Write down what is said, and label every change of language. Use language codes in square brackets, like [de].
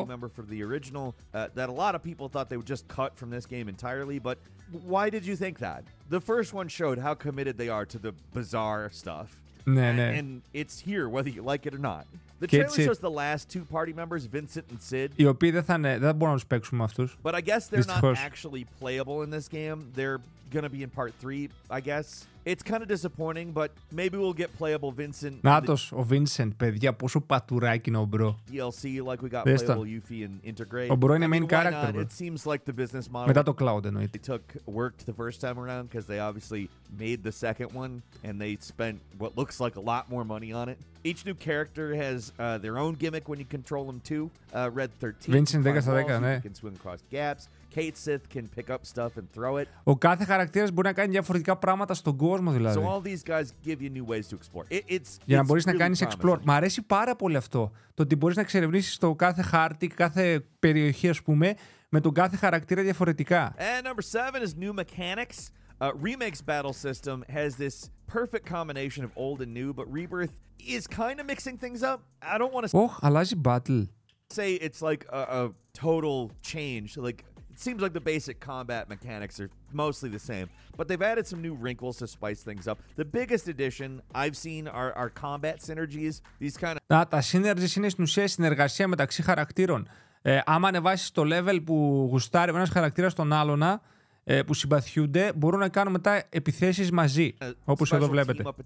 [en] Remember from the original that a lot of people thought they would just cut from this game entirely, but why did you think that? The first one showed how committed they are to the bizarre stuff. [el] Ναι, ναι. [en] And it's here whether you like it or not. The trailer shows the last two party members, Vincent and Sid. [el] Οι οποίοι δεν μπορούμε να τους παίξουμε αυτούς. [en] But I guess they're not actually playable in this game. They're gonna be in part 3, I guess. It's kind of disappointing, but maybe we'll get playable Vincent. [el] Νάτος, ο Vincent, παιδιά, πόσο πατουράκι είναι ο μπρο. [en] DLC, like we got playable Yuffie and Integrate. [el] Ο μπρο είναι [en] main character, bro. It seems like the business model. [el] Μετά το cloud, εννοείται. [en] It took work the first time around, because they obviously made the second one, and they spent what looks like a lot more money on it. Each new character has their own gimmick when you control them too. Red 13. [el] Vincent, 10/10, ναι. [en] Can swim across gaps. Kate Sith can pick up stuff and throw it. [el] Ο κάθε χαρακτήρας μπορεί να κάνει διαφορετικά πράγματα στον κόσμο, δηλαδή. [en] So all these guys give you new ways to explore. [el] Για να μπορείς [en] really [el] να κάνεις explore. Μ' αρέσει πάρα πολύ αυτό. Το ότι μπορείς να εξερευνήσεις το κάθε χάρτη, κάθε περιοχή, ας πούμε, με τον κάθε χαρακτήρα διαφορετικά. [en] And number 7 is new mechanics. Remake's battle system has this perfect combination of old and new, but Rebirth is kind of mixing things up. I don't want to [el] αλλάζει battle. [en] Say it's like a total change. Like, it seems like the basic combat mechanics are mostly the same, but they've added some new wrinkles to spice things up. The biggest addition I've seen are combat synergies. These kind of... [el] Να, τα synergies είναι στην ουσία συνεργασία μεταξύ χαρακτήρων. Άμα ανεβάσεις το level που γουστάρει ένας χαρακτήρας στον άλλον, που συμπαθιούνται μπορούν να κάνουν μετά επιθέσεις μαζί, όπως εδώ βλέπετε.